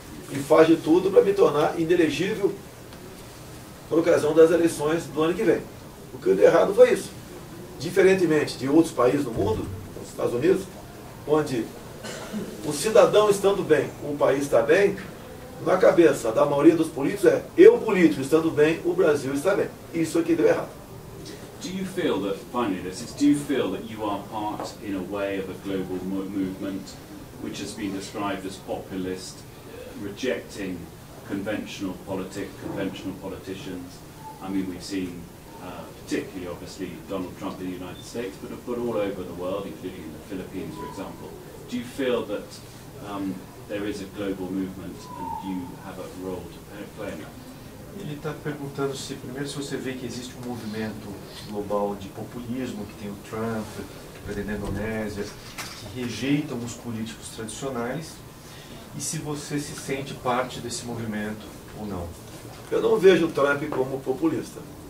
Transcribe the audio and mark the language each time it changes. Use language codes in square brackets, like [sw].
[pt] E faz de tudo para me tornar inelegível por ocasião das eleições do ano que vem. O que deu errado foi isso. Diferentemente de outros países do mundo, os Estados Unidos, onde o cidadão estando bem, o país está bem, na cabeça da maioria dos políticos é: eu político estando bem, o Brasil está bem. Isso aqui deu errado. [en] Do you feel that, finally, this, do you feel that you are part, in a way, of a global movement which has been described as populist, rejecting conventional politics, conventional politicians? I mean, we've seen particularly, obviously, Donald Trump in the United States, but all over the world, including in the Philippines, for example. Do you feel that there is a global movement and you have a role to play in that? [pt] Ele está perguntando se, primeiro, se você vê que existe um movimento global de populismo, que tem o Trump, que presidente da Indonésia, que rejeitam os políticos tradicionais, e se você se sente parte desse movimento ou não. Eu não vejo o Trump como populista.